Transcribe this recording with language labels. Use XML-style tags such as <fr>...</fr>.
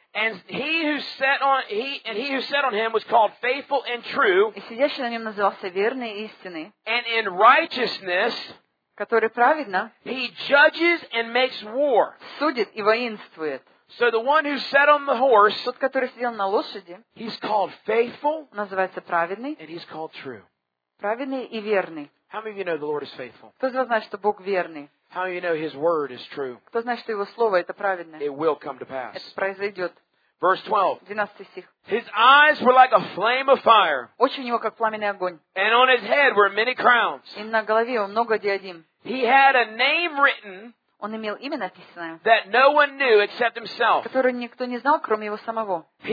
<en>And he who sat on him was called faithful and true.</en> <ru>И сидящий на нем назывался верный и истинный.</ru> <en>And in righteousness.</en> <ru>Который праведно,</ru> <en>he judges and makes war.</en> <ru>Судит и воинствует.</ru> <en>So the one who sat on the horse,</en> <ru>тот, который сидел на лошади,</ru> <en>he's called faithful,</en> <ru>называется праведный,</ru> <en>and he's called true.</en> <ru>Праведный и верный.</ru> <en>How many of you know the Lord is faithful?</en> <ru>Кто из вас знает, что Бог верный?</ru> <en>How many of you know his word is true?</en> <ru>Кто знает, что его слово это праведное?</ru> <en>It will come to pass.</en> <ru>Это произойдет.</ru> <en>Verse 12.</en> <ru>12 стих.</ru> <en>His eyes were like a flame of fire.</en> <ru>Очи у него как пламенный огонь.</ru> <en>And on his head were many crowns.</en> <ru>И на голове у него много диадим.</ru> <en>He had a name written.</en> <ru>Он имел имя написанное.</ru> <en>That no one knew except himself.</en> <ru>Которое никто не знал, кроме его самого.</ru>